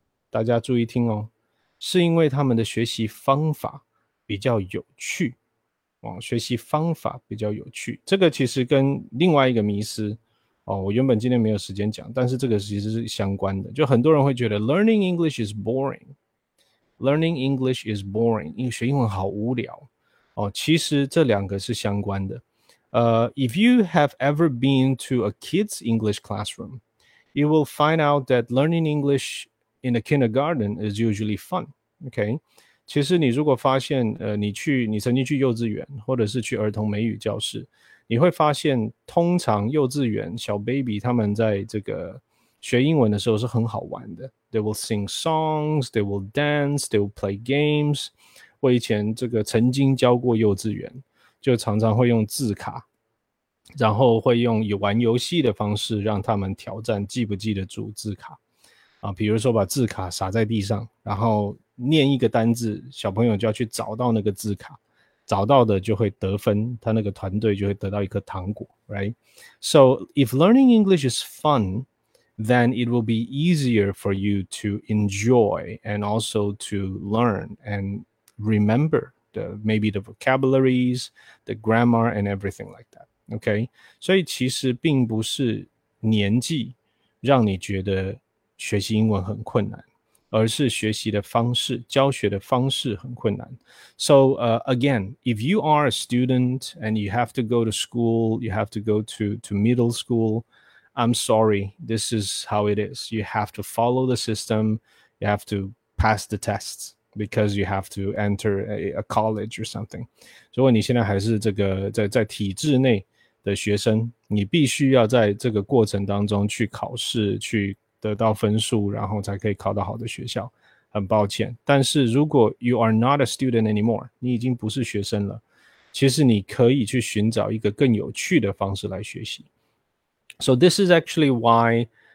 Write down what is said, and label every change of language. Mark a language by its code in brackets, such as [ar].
[zh] 大家注意听哦，是因为他们的学习方法比较有趣、哦、学习方法比较有趣，这个其实跟另外一个迷思哦、我原本今天没有时间讲，但是这个其实是相关的，就很多人会觉得 [en] learning English is boring, learning English is boring, [zh] 因为学英文好无聊、哦、其实这两个是相关的。 [en] If you have ever been to a kid's English classroom, you will find out that learning English in a kindergarten is usually fun, okay? [zh] 其实你如果发现、你曾经去幼稚园或者是去儿童美语教室，你会发现通常幼稚园小 baby 他们在这个学英文的时候是很好玩的。 [en] They will sing songs, they will dance, they will play games. [zh] 我以前这个曾经教过幼稚园，就常常会用字卡，然后会用玩游戏的方式让他们挑战记不记得住字卡。啊、比如说把字卡撒在地上，然后念一个单字，小朋友就要去找到那个字卡。找到的就会得分，他那个团队就会得到一颗糖果 ，right? [en] So if learning English is fun, then it will be easier for you to enjoy and also to learn and remember the vocabularies, the grammar and everything like that. Okay? [zh] 所以其实并不是年纪让你觉得学习英文很困难。而是学习的方式，教学的方式很困难。 [en] So, again, if you are a student and you have to go to school, you have to go to middle school, I'm sorry, this is how it is. You have to follow the system, you have to pass the tests because you have to enter a college or something. [zh] 如果你现在还是这个在体制内的学生，你必须要在这个过程当中去考试，去得到分数，然后才可以考到好的学校，很抱歉。但是如果 [en] you are not a student anymore, [zh] 你已经不是学生了，其实你可以去寻找一个更有趣的方式来学习。 [en] So this is actually why